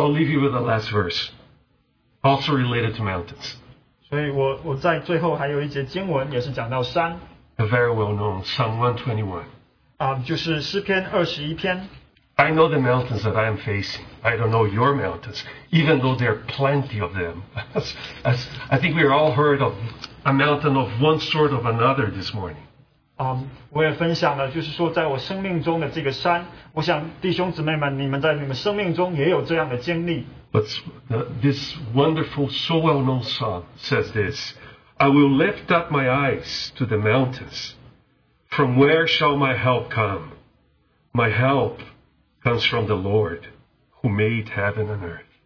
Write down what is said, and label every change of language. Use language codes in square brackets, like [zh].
[en] I'll leave you with the last verse, also related to mountains. [zh] 所以我在最后还有一节经文，也是讲到山。A [en] very well-known Psalm 121. [zh] 就是诗篇21篇。 [en] I know the mountains that I am facing. I don't know your mountains, even though there are plenty of them. I think we all heard of a mountain of one sort or another this morning. [zh] 我也分享了，就是说在我生命中的这个山，我想弟兄姊妹们，你们在你们生命中也有这样的经历。 [en] But this wonderful, so well-known song says this, I will lift up my eyes to the mountains. From where shall my help come? My help comes from the Lord who made heaven and earth.